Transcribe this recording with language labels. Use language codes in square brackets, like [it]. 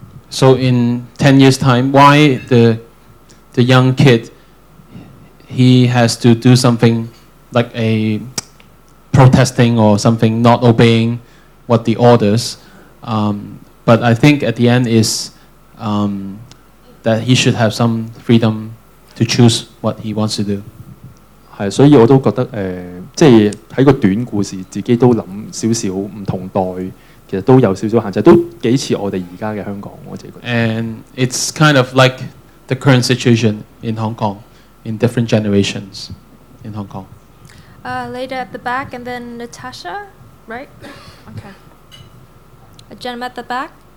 [en] So in 10 years time, why the young kid, he has to do something like a protesting or something, not obeying what the orders. But I think at the end is that he should have some freedom to choose what he wants to do. [yue] 是，所以我都觉得，即是在一个短故事，自己都想少少不同代。其實都有少少限制，都幾似我哋而家嘅香港，我自己覺得。 [en] And it's kind of like the current situation in Hong Kong, in different generations in Hong Kong. Later at the back, and then Natasha, right? Okay. A gentleman at the back.